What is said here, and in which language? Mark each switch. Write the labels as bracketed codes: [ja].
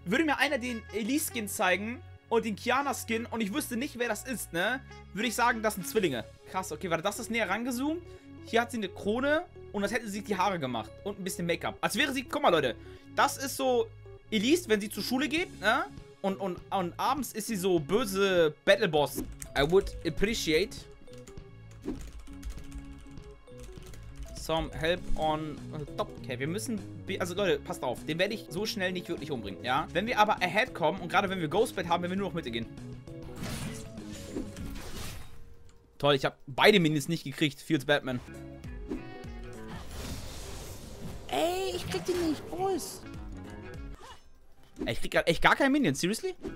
[de] Würde mir einer den Elise-Skin zeigen und den Qiyana-Skin und ich wüsste nicht, wer das ist, ne? Würde ich sagen, das sind Zwillinge. Krass, okay, warte, das ist näher rangezoomt. Hier hat sie eine Krone und das hätte sie sich die Haare gemacht. Und ein bisschen Make-up. Als wäre sie, guck mal Leute, das ist so Elise, wenn sie zur Schule geht, ne? Und abends ist sie so böse Battle-Boss. [en] I would appreciate some help on top. [de] Okay, wir müssen, also Leute, passt auf, den werde ich so schnell nicht wirklich umbringen, ja? Wenn wir aber ahead kommen und gerade wenn wir Ghostbed haben, werden wir nur noch Mitte gehen. Toll, ich habe beide Minis nicht gekriegt. Fields Batman. Ey, ich krieg die nicht. Boys. Ey, ich krieg grad echt gar keinen Minion. Seriously?